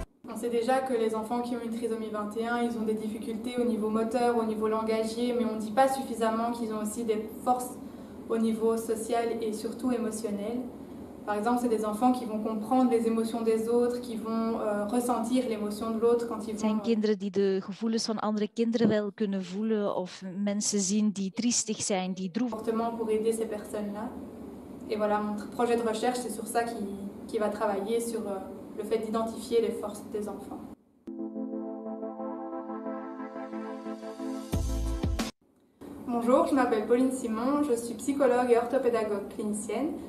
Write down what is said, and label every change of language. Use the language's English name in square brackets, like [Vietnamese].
[French] On sait déjà que les enfants qui ont une trisomie 21, ils ont des difficultés au niveau moteur, au niveau langagier, mais on ne dit pas suffisamment qu'ils ont aussi des forces au niveau social et surtout émotionnel. Par exemple, c'est des enfants qui vont comprendre les émotions des autres, qui vont ressentir l'émotion de l'autre quand ils vont... [Dutch] Zijn kinderen die de gevoelens van andere kinderen wel kunnen voelen of mensen zien die triestig zijn, die droevig... [French] ...fortement pour aider ces personnes-là. Et voilà, mon projet de recherche, c'est sur ça qui va travailler, sur le fait d'identifier les forces des enfants. Bonjour, je m'appelle Pauline Simon, je suis psychologue et orthopédagogue clinicienne.